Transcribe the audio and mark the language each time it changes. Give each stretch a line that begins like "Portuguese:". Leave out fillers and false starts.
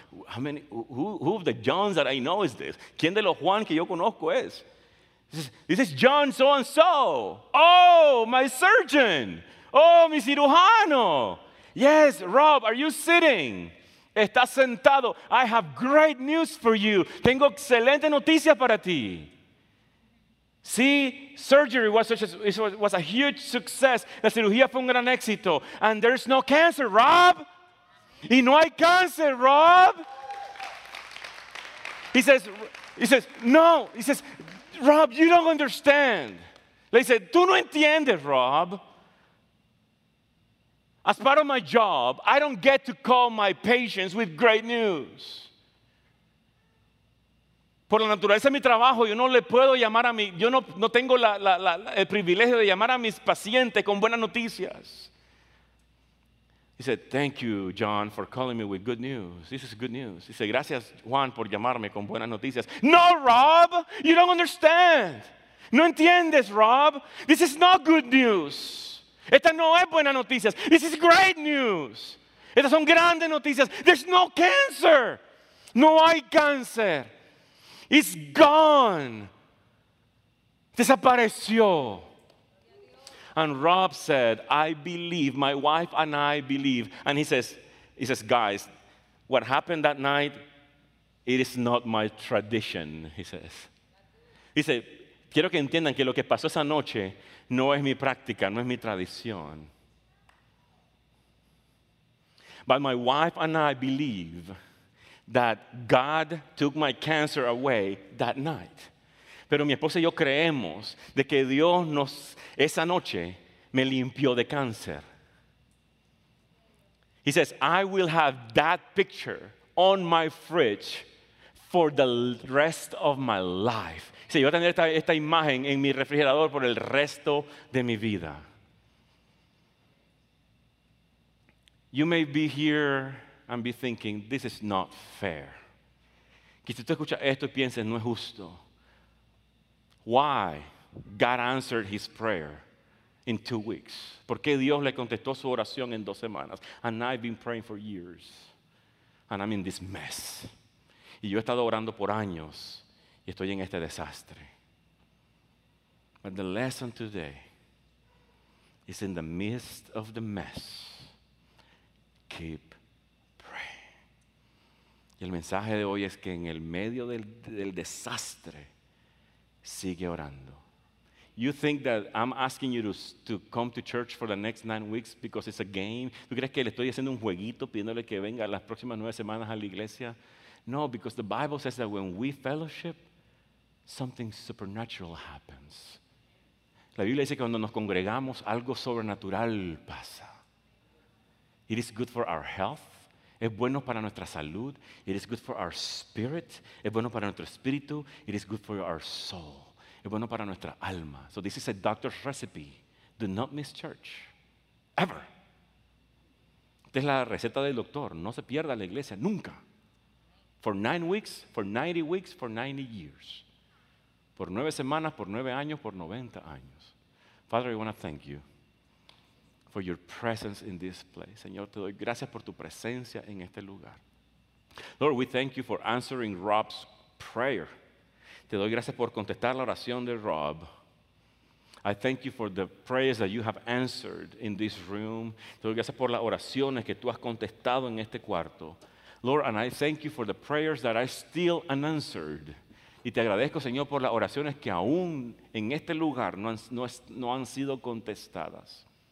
English: Who of the Johns that I know is this?
Spanish: ¿Quién de los Juan que yo conozco es?
English: He says, this is John so-and-so. Oh, my surgeon.
Spanish: Oh, mi cirujano.
English: Yes, Rob, are you sitting?
Spanish: ¿Estás sentado?
English: I have great news for you.
Spanish: Tengo excelente noticia para ti.
English: See, surgery was a huge success.
Spanish: La cirugía fue un gran éxito.
English: And there's no cancer, Rob.
Spanish: Y no hay cáncer, Rob.
English: He says, no. He says, Rob, you don't understand.
Spanish: Le dice, tú no entiendes, Rob.
English: As part of my job, I don't get to call my patients with great news.
Spanish: Por la naturaleza de mi trabajo, yo no le puedo llamar a mi, yo no, no tengo el privilegio de llamar a mis pacientes con buenas noticias.
English: He said, thank you, John, for calling me with good news. This is good news. He said,
Spanish: gracias, Juan, por llamarme con buenas noticias.
English: No, Rob, you don't understand.
Spanish: No entiendes, Rob.
English: This is not good news.
Spanish: Esta no es buena noticia.
English: This is great news.
Spanish: Estas son grandes noticias.
English: There's no cancer.
Spanish: No hay cáncer.
English: It's gone.
Spanish: Desapareció.
English: And Rob said, I believe, my wife and I believe. And he says, guys, what happened that night, it is not my tradition, he says. He said,
Spanish: quiero que entiendan que lo que pasó esa noche no es mi práctica, no es mi tradición.
English: But my wife and I believe that God took my cancer away that night.
Spanish: Pero mi esposa y yo creemos de que Dios nos, esa noche, me limpió de cáncer.
English: He says, I will have that picture on my fridge for the rest of my life.
Spanish: Sí, yo voy a tener esta imagen en mi refrigerador por el resto de mi vida.
English: You may be here and be thinking, this is not fair.
Spanish: Quizás usted escucha esto y piense, no es justo.
English: Why God answered his prayer in 2 weeks?
Spanish: ¿Por qué Dios le contestó su oración en 2 semanas?
English: And I've been praying for years. And I'm in this mess.
Spanish: Y yo he estado orando por años. Y estoy en este desastre.
English: But the lesson today is in the midst of the mess, keep praying.
Spanish: Y el mensaje de hoy es que en el medio del desastre, sigue orando.
English: You think that I'm asking you to come to church for the next 9 weeks because it's a game?
Spanish: ¿Tú crees que le estoy haciendo un jueguito pidiéndole que venga las próximas 9 semanas a la iglesia?
English: No, because the Bible says that when we fellowship, something supernatural happens.
Spanish: La Biblia dice que cuando nos congregamos, algo sobrenatural pasa.
English: It is good for our health.
Spanish: Es bueno para nuestra salud.
English: It is good for our spirit.
Spanish: Es bueno para nuestro espíritu.
English: It is good for our soul.
Spanish: Es bueno para nuestra alma.
English: So this is a doctor's recipe. Do not miss church. Ever.
Spanish: Esta es la receta del doctor. No se pierda la iglesia. Nunca.
English: For 9 weeks, for 90 weeks, for 90 years.
Spanish: Por 9 semanas, por 9 años, por 90 años.
English: Father, we want to thank you. for your presence in this place.
Spanish: Señor, te doy gracias por tu presencia en este lugar.
English: Lord, we thank you for answering Rob's prayer.
Spanish: Te doy gracias por contestar la oración de Rob.
English: I thank you for the prayers that you have answered in this room.
Spanish: Te doy gracias por las oraciones que tú has contestado en este cuarto.
English: Lord, and I thank you for the prayers that are still unanswered.
Spanish: Y te agradezco, Señor, por las oraciones que aún en este lugar no han sido contestadas.